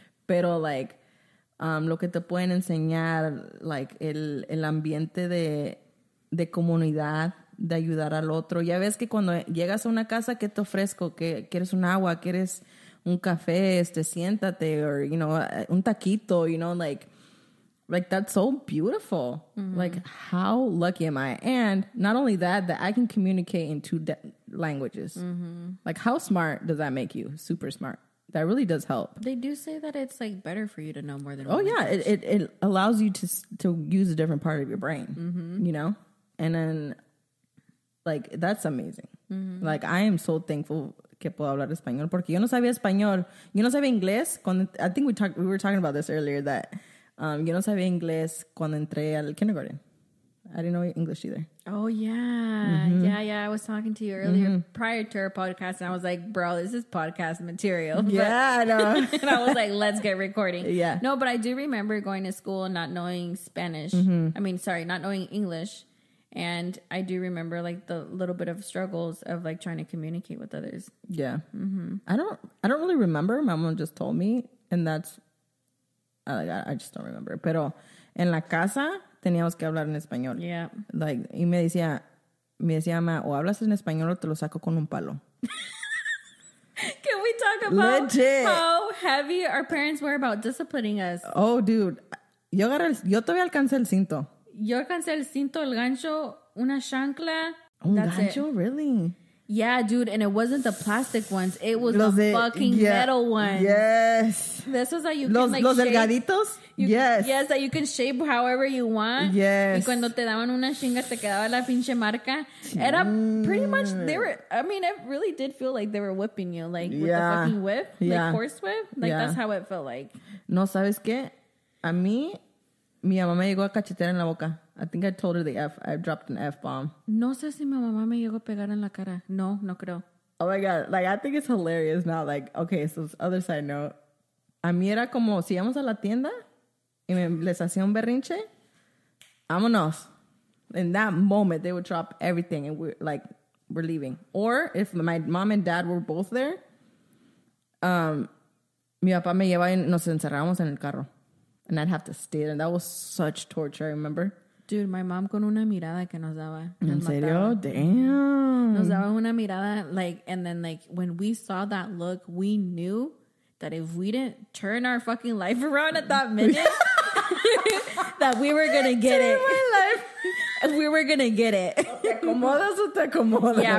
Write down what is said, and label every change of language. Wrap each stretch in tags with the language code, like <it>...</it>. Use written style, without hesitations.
<es>Pero, like, lo que te pueden enseñar, like, el ambiente de comunidad, de ayudar al otro. Ya ves que cuando llegas a una casa, ¿qué te ofrezco? ¿Qué, quieres un agua? ¿Quieres un café?</es> <en>Siéntate, or, you know,</en> <es>un taquito,</es> <en>you know, like that's so beautiful. Mm-hmm. Like, how lucky am I? And not only that I can communicate in two languages. Mm-hmm. Like, how smart does that make you? Super smart. That really does help. They do say that it's, like, better for you to know more than one. Oh, yeah. It allows you to use a different part of your brain, mm-hmm. you know? And then, like, that's amazing. Mm-hmm. Like, I am so thankful</en> <es>que puedo hablar español. Porque yo no sabía español. Yo no sabía inglés.</es> <en>I think we were talking about this earlier,</en> <es>that yo no sabía inglés cuando entré al kindergarten.</es> <en>I didn't know English either. Oh, yeah. Mm-hmm. Yeah, yeah. I was talking to you earlier, mm-hmm. prior to our podcast, and I was like, bro, this is podcast material. But, yeah, I know. And I was like, let's get recording. Yeah. No, but I do remember going to school and not knowing Spanish. Mm-hmm. I mean, sorry, not knowing English. And I do remember, like, the little bit of struggles of, like, trying to communicate with others. Yeah. Mm-hmm. I don't really remember. My mom just told me, and that's, I just don't remember.</en> <es>Pero en la casa teníamos que hablar en español.</es> <en>Yeah.</en> <es>Like, y me decía, mamá, o hablas en español o te lo saco con un palo.</es> <en>Can we talk about legit. How heavy our parents were about disciplining us? Oh, dude.</en> <es>Yo todavía alcancé el cinto. Yo alcancé el cinto, el gancho, una chancla. Un gancho,</es> <en>it. Really? Yeah, dude, and it wasn't the plastic ones. It was los the fucking yeah. metal ones. Yes. This was that you</en> <es>los,</es> <en>can, like,</en> <es>los</es> <en>shape.</en> <es>Los delgaditos?</es> <en>Yes. Yes, that you can shape however you want. Yes.</en> <es>Y cuando te daban una chinga, te quedaba la pinche marca. Era</es> <en>pretty much, it really did feel like they were whipping you, like, with yeah. the fucking whip, yeah. like, horse whip. Like, yeah. that's how it felt like.</en> <es>No, ¿sabes qué? A mí, mi mamá me llegó a cachetear en la boca.</es> <en>I think I told her the F. I dropped an F-bomb.</en> <es>No sé si mi mamá me llegó a pegar en la cara. No, no creo.</es> <en>Oh, my God. Like, I think it's hilarious now. Like, okay, so other side note.</en> <es>A mí era como, si íbamos a la tienda y les hacía un berrinche, vámonos.</es> <en>In that moment, they would drop everything and we're like, we're leaving. Or if my mom and dad were both there,</en> <es>mi papá me lleva y nos encerramos en el carro.</es> <en>And I'd have to stay there. And that was such torture, I remember. Dude, my mom</en> <es>con una mirada que nos daba. ¿En serio? Damn. Nos daba una mirada,</es> <en>like, and then, like, when we saw that look, we knew that if we didn't turn our fucking life around at that minute, that we were going to get it. Turn my life. We were going to get it.</en> <es>¿Te acomodas o te acomodas?</es>